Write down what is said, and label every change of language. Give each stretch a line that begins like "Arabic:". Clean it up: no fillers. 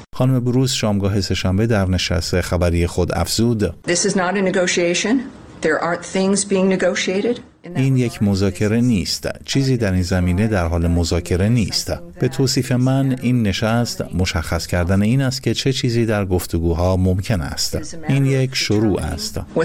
Persian: خانم بروس شامگاه سه‌شنبه در نشست خبری خود افزود:
English: This is not a negotiation. There aren't things being negotiated.
Persian: این یک مذاکره نیست. چیزی در این زمینه در حال مذاکره نیست. به توصیف من این نشست مشخص کردن این است که چه چیزی در گفتگوها ممکن است. این یک شروع است.